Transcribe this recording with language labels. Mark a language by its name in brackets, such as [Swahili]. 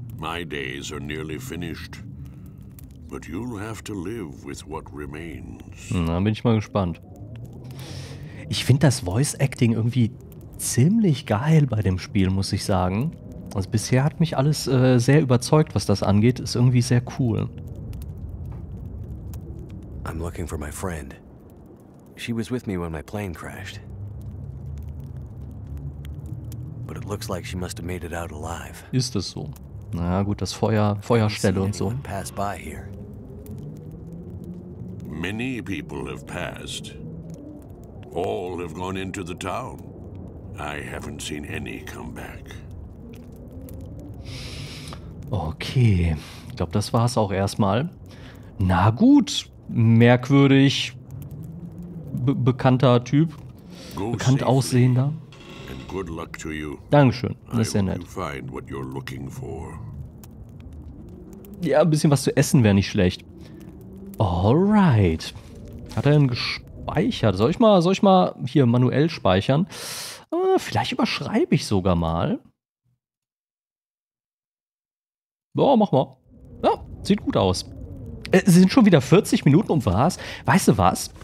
[English] My days are nearly finished. But you'll have to live with what remains. [German] Na, bin ich mal gespannt. Ich finde das Voice-Acting irgendwie ziemlich geil bei dem Spiel, muss ich sagen. Also bisher hat mich alles sehr überzeugt, was das angeht. Ist irgendwie sehr cool. [English] I'm looking for my friend. She was with me when my plane crashed. But it looks like she must have made it out alive. [German] Ist das so? Na gut, das Feuerstelle und so. [English] Pass by here. Many people have passed. All have gone into the town. I haven't seen any come back. [German] Okay, ich glaube, das war's auch erstmal. Na gut, merkwürdig, bekannter Typ, bekannt aussehender. [English] And good luck to you. [German] Dankeschön, das ist sehr nett. [English] I hope you find what you're looking for. [German] Ja, ein bisschen was zu essen wäre nicht schlecht. Alright. Hat er denn gespeichert? Soll ich mal hier manuell speichern? Vielleicht überschreibe ich sogar mal. Ja, mach mal. Ja, sieht gut aus. Es sind schon wieder 40 Minuten und was? Weißt du was?